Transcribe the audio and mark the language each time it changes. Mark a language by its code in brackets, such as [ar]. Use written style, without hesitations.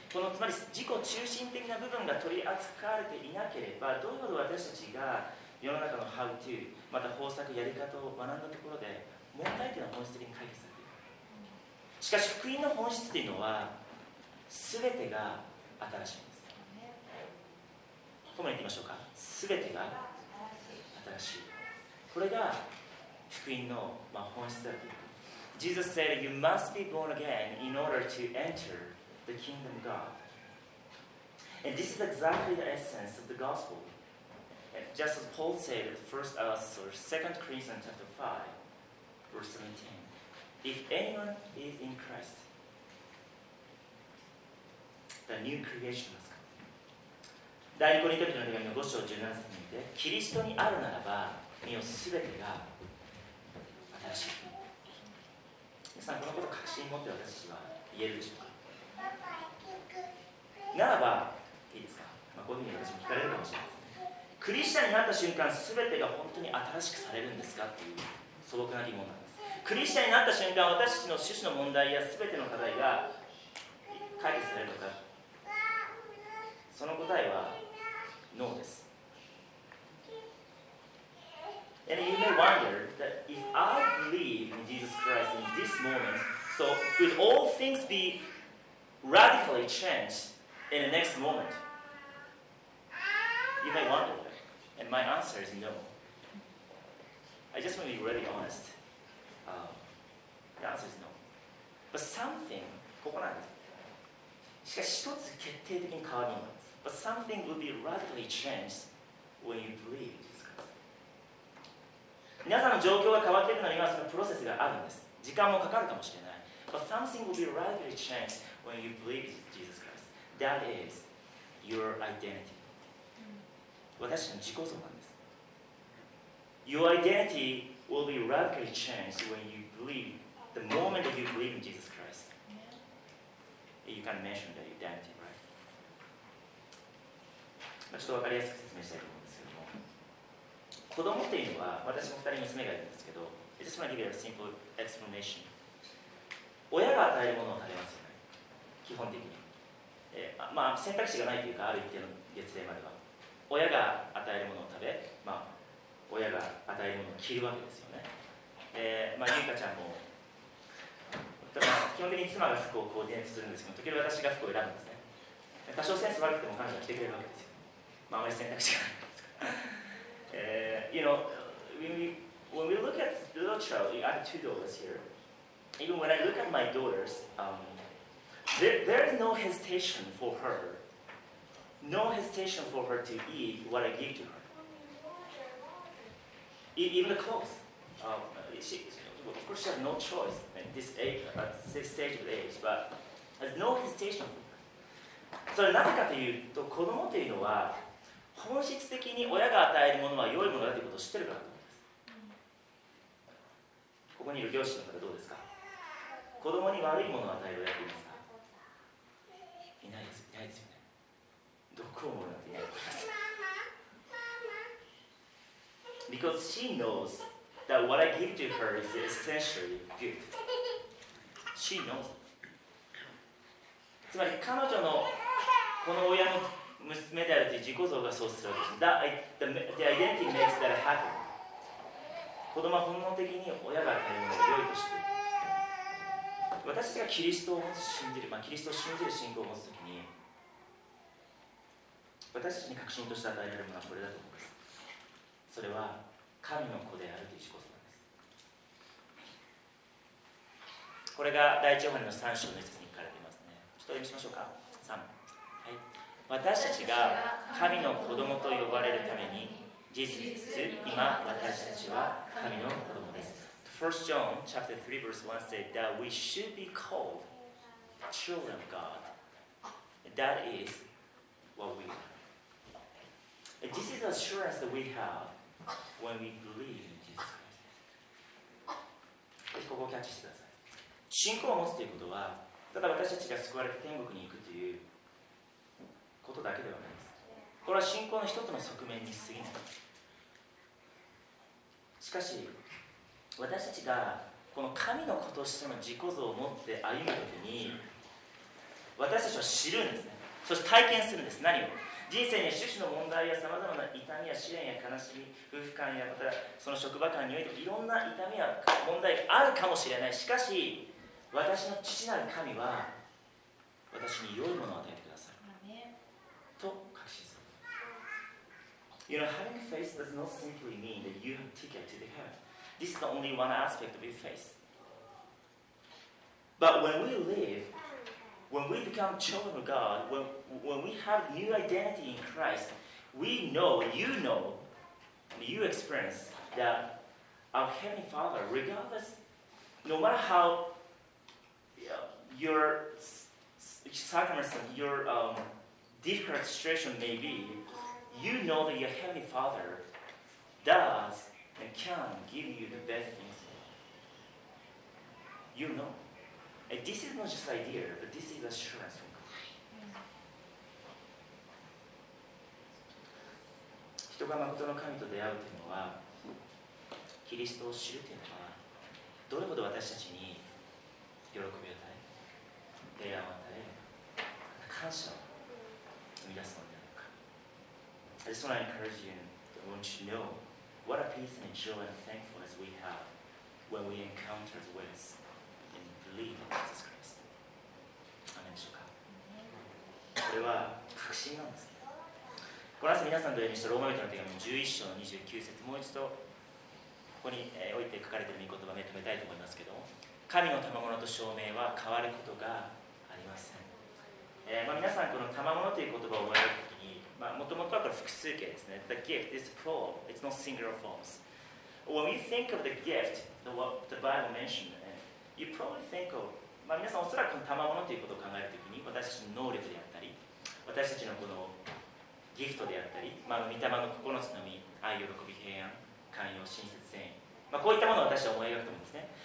[ja] このつまり自己中心的な部分が取り扱われていなければ、どういうこと私たちが世の中の How to、また方策、やり方を学んだところで、問題点は本質的に解決されている。しかし、福音の本質というのは、すべてが新しいんです。ともに言ってみましょうか。すべてが新しい。これが福音の、まあ、本質だという。 [en] Jesus said, You must be born again in order to enter the kingdom of God. And this is exactly the essence of the gospel. And just as Paul said in 2 Corinthians chapter 5, verse 17, If anyone is in Christ, the new creation has come. [ja] 第2コリントの手紙の5章17節にて、キリストにあるならば、身をすべてが新しい。皆さん、このことを確信を持って私は言えるでしょうか。ならば、いいですか、まあ、こういうふうに私も聞かれるかもしれません。クリスチャンになった瞬間、すべてが本当に新しくされるんですかっていう素朴な疑問なんです。クリスチャンになった瞬間、私たちの種々の問題やすべての課題が解決されるのか。その答えは、ノーです。 [en] And you may wonder that if I believe in Jesus Christ in this moment, so would all things be radically changed in the next moment? You may wonder that. And my answer is no. I just want to be really honest. The answer is no. But something, [ja] ここなんです。しかし一つ決定的に変わります。 [en] But something will be radically changed when you believe. [ja] 皆さんの状況が変わっているのにはそのプロセスがあるんです。時間もかかるかもしれない。 [en] But something will be radically changed when you believe Jesus Christ. That is your identity. [ja] 私の自己像なんです。 [en] Your identity will be radically changed when you believe, the moment that you believe in Jesus Christ. You can mention that identity, right? [ja] ちょっとわかりやすく説明したいと思います。子供っていうのは、私も二人娘がいるんですけど、 [en] I just want to give you a simple explanation. [ja] 親が与えるものを食べますよね。基本的に。まあ、選択肢がないというか、ある一定の月齢までは。親が与えるものを食べ、まあ、親が与えるものを着るわけですよね。まあ、ゆいかちゃんも、基本的に妻が服をコーディネートするんですけど、時々私が服を選ぶんですね。多少センス悪くても彼女は着てくれるわけですよ。まあ、あまり選択肢がないんですから。 [en] You know, when we look at the little child, I have two daughters here. Even when I look at my daughters, there is no hesitation for her. No hesitation for her to eat what I give to her. Even the clothes. Of course, she has no choice at this age, at this stage of age, but there's no hesitation for her. [ja] それなぜかというと、子供というのは、本質的に親が与えるものは良いものだということを知ってるからと思います。ここにいる両親の方どうですか？子供に悪いものを与える親っていますか？いないです、いないですよね。毒を盛るなんていないと思います。 [en] Because she knows that what I give to her is essentially good. She knows. [ja] つまり彼女のこの親の娘であるという自己像がそうするわけです。 [en] The identity makes that happen. [ja] 子供は本能的に親が与えるものを良いとしている。私たちがキリストを持つ信じる、まあ、キリストを信じる信仰を持つときに、私たちに確信として与えられるものはこれだと思います。それは神の子であるという自己像です。これが第一ヨハネの3章の1節に書かれていますね。ちょっと読みしましょうか。 3。 はい。私たちが神の子供と呼ばれるために、事実、今私たちは神の子供です。 [en] 1 John chapter 3 verse 1 said that we should be called children of God. That is what we are. This is the assurance that we have when we believe in Jesus Christ. [ja] ぜひここをキャッチしてください。信仰を持つということは、ただ私たちが救われて天国に行くということだけではないです。これは信仰の一つの側面に過ぎない。しかし、私たちがこの神の子としての自己像を持って歩むときに、私たちは知るんですね。そして体験するんです。何を？人生には種々の問題やさまざまな痛みや試練や悲しみ、夫婦間やまたその職場間においていろんな痛みや問題があるかもしれない。しかし、私の父なる神は私に良いものを与えてくださると確信する。 [en] You know, having faith does not simply mean that you have ticket to the heaven. This is the only one aspect of your faith. But when we live, when we become children of God, when we have new identity in Christ, we know, and you experience that our Heavenly Father, regardless, no matter how your circumstances, your difficult situation may be, you know that your Heavenly Father does and can give you the best things. You know. And this is not just idea, but this is assurance from God. [ja] 人が誠の神と出会うというのは、キリストを知るというのは、どれほど私たちに喜びを与え、平安を与え、また感謝を生み出すものであるのか。 [en] I just want to encourage you and want you to know what a peace and joy and thankfulness we have when we encounter the ways and believe in Jesus Christ. [ja] アメンでしょうか。これは確信なんですね。この朝皆さんと読みしたローマ人の手紙11章の29節、もう一度ここに置いて書かれている御言葉をまとめたいと思いますけど、神の賜物と証明は変わることがありません。皆さんこの賜物という言葉を覚えるときに、もともとはこれ複数形ですね。 [en] The gift is plural, it's not singular forms. When you think of the gift, the Bible mentioned, you probably think of, [ja] 皆さんおそらくこの賜物ということを考えるときに、私たちの能力であったり、私たちのこのギフトであったり、御霊の心の実、愛、喜び、平安、寛容、親切、善意、こういったものを私は思い描くと思うんですね。